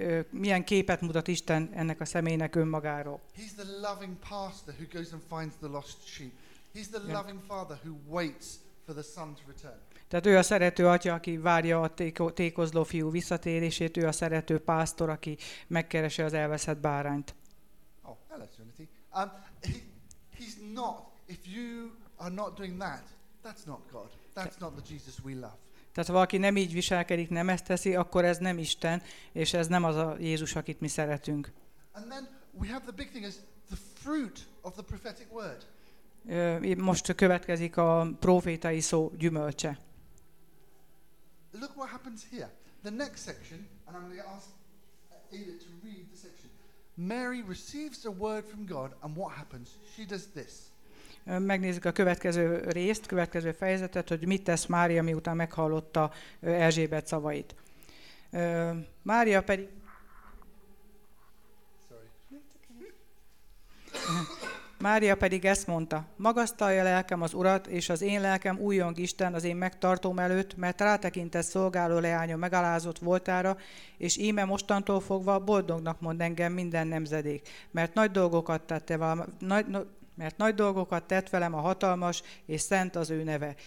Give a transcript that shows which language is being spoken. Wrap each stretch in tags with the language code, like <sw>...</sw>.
<hu>Milyen képet mutat Isten ennek a személynek önmagáról?</hu> <en>He's the loving pastor who goes and finds the lost sheep. He's the loving father who waits for the son to return.</en> <hu>Tehát ő a szerető atya, aki várja a tékozló fiú visszatérését, ő a szerető pásztor, aki megkeresi az elveszett bárányt.</hu> <en>Oh, hello, Trinity. He's not, if you are not doing that, that's not God. That's not the Jesus we love.</en> <hu>Tehát ha valaki nem így viselkedik, nem ezt teszi, akkor ez nem Isten, és ez nem az a Jézus, akit mi szeretünk.</hu> <en>And then we have the big thing is the fruit of the prophetic word.</en> <hu>Most következik a prófétai szó gyümölcse.</hu> <en>Look what happens here. The next section, and I'm going to ask Ada to read the section. Mary receives a word from God, and what happens? She does this.</en> <hu>Megnézzük a következő részt, következő fejezetet, hogy mit tesz Mária, miután meghallotta Erzsébet szavait. Mária pedig...</hu> <en>Sorry.</en> <hu>Mária pedig ezt mondta, magasztalja lelkem az Urat, és az én lelkem újjong Isten az én megtartóm előtt, mert rátekintett szolgáló leánya megalázott voltára, és íme mostantól fogva boldognak mond engem minden nemzedék, mert nagy dolgokat tett velem a hatalmas, és szent az ő neve.</hu>